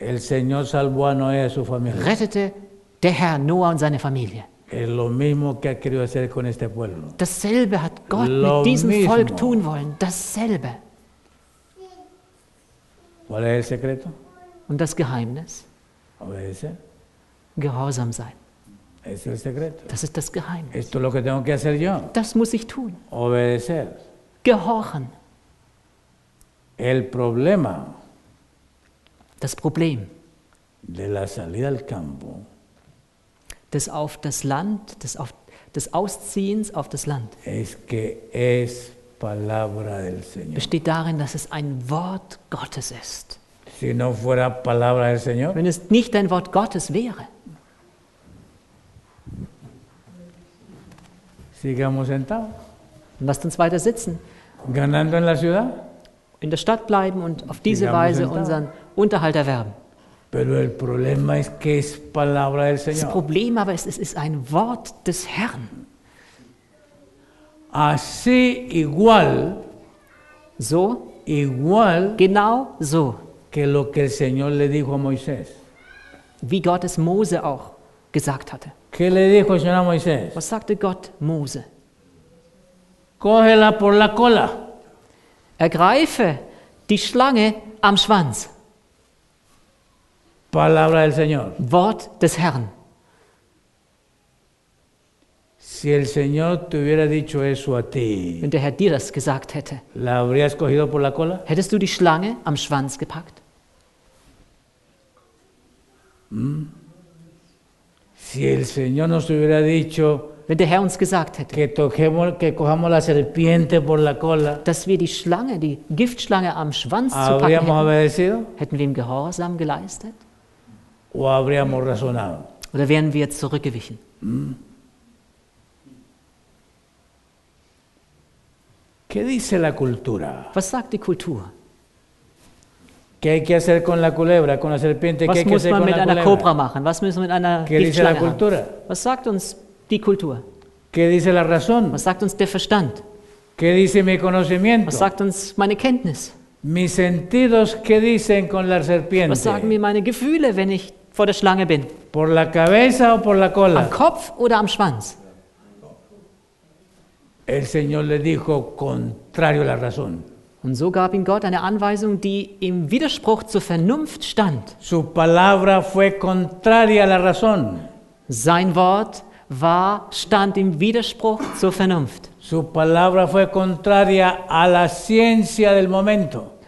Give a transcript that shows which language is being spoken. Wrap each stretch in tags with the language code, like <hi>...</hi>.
<es>el Señor salvó a Noé y su familia,</es> <de>rettete der Herr Noah und seine Familie.</de> <es>Lo mismo que ha querido hacer con este pueblo.</es> <de>Dasselbe hat Gott</de> <es>lo</es> <de>mit diesem</de> <es>mismo.</es> <de>Volk tun wollen. Dasselbe.</de> <es>¿Cuál es el secreto?</es> <de>Und das Geheimnis?</de> <es>Obedecer.</es> <de>Gehorsam sein.</de> <es>Es el secreto.</es> <de>Das ist das Geheimnis.</de> <es>Esto es lo que tengo que hacer yo.</es> <de>Das muss ich tun.</de> <es>Obedecer.</es> <de>Gehorchen.</de> <es>El problema.</es> <de>Das Problem.</de> <es>De la salida al campo.</es> <de>Des auf das Land, des Ausziehens auf das Land.</de> <es>Es que es palabra del Señor.</es> <de>Besteht darin, dass es ein Wort Gottes ist.</de> <es>Si no fuera palabra del Señor.</es> <de>Wenn es nicht ein Wort Gottes wäre.</de> <es>Sigamos sentados.</es> <de>Lasst uns weiter sitzen.</de> <es>Ganando en la ciudad.</es> <de>In der Stadt bleiben und auf diese</de> <es>Sigamos</es> <de>Weise</de> <es>sentado.</es> <de>Unseren Unterhalt erwerben.</de> <es>Pero el problema es que es palabra del Señor.</es> <de>Das Problem aber ist, es ist ein Wort des Herrn.</de> <es>Así igual,</es> <de>so,</de> <es>igual,</es> <de>genau so,</de> <es>que lo que el Señor le dijo a Moisés.</es> <de>Wie Gott es Mose auch gesagt hatte.</de> <es>¿Qué le dijo el Señor a Moisés?</es> <de>Was sagte Gott Mose?</de> <es>Cógela por la cola.</es> <de>Ergreife die Schlange am Schwanz.</de> <es>Palabra del Señor.</es> <de>Wort des Herrn.</de> <es>Si el Señor te hubiera dicho eso a ti,</es> <de>wenn der Herr dir das gesagt hätte,</de> <es>¿la habrías cogido por la cola?</es> <de>Hättest du die Schlange am Schwanz gepackt?</de> <es>Si el Señor nos hubiera dicho,</es> <de>wenn der Herr uns gesagt hätte,</de> <es>que toquemos, que cojamos la serpiente por la cola,</es> <de>dass wir die Schlange, die Giftschlange am Schwanz</de> <es>habríamos</es> <de>zu packen hätten,</de> <es>obedecido?</es> <de>Hätten wir ihm Gehorsam geleistet?</de> <es>O habríamos razonado?</es> <de>Oder wären wir zurückgewichen?</de> <es>¿Qué dice la cultura?</es> <de>Was sagt die Kultur?</de> <es>¿Qué hay que hacer con la culebra, con la serpiente?</es> <de>Was</de> <es>¿qué</es> <de>muss man mit einer Kobra machen? Was müssen wir mit einer</de> <es>¿qué dice la cultura?</es> <de>Haben? Was sagt uns die Kultur?</de> <es>¿Qué dice la razón?</es> <de>Was sagt uns der Verstand?</de> <es>¿Qué dice mi conocimiento?</es> <de>Was sagt uns meine Kenntnis?</de> <es>Mis sentidos, ¿qué dicen con la serpiente?</es> <de>Was sagen mir meine Gefühle, wenn ich vor der Schlange bin?</de> <es>¿Por la cabeza o por la cola?</es> <de>Am Kopf oder am Schwanz?</de> <es>El Señor le dijo contrario a la razón.</es> <de>Und so gab ihm Gott eine Anweisung, die im Widerspruch zur Vernunft stand.</de> <es>Su palabra fue contraria a la razón.</es> <de>Sein Wort stand im Widerspruch zur Vernunft.</de> <es>Su palabra fue contraria a la ciencia del momento.</es>